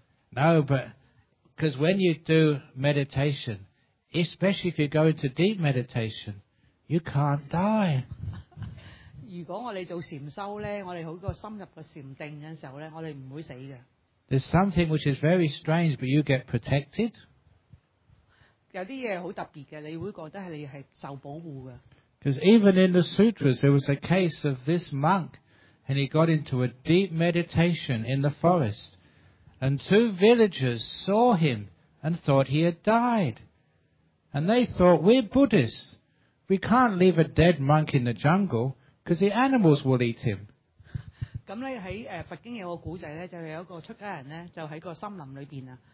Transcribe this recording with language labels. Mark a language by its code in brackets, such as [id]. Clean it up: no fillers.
[en] No, but because when you do meditation, especially if you go into deep meditation. You can't die. [yue] 如果我哋做禅修咧，我哋好个深入个禅定嘅时候咧，我哋唔会死嘅。 [en] There's something which is very strange, but you get protected. [yue] 有啲嘢好特别嘅，你会觉得系你系受保护嘅。 [en] Because even in the sutras, there was a case of this monk, and he got into a deep meditation in the forest, and two villagers saw him and thought he had died, and they thought we're Buddhists. We can't leave a dead monk in the jungle because the animals will eat him. [yue] 咁咧喺佛经有个古仔咧，就系有一个出家人咧，就喺个森林里边啊。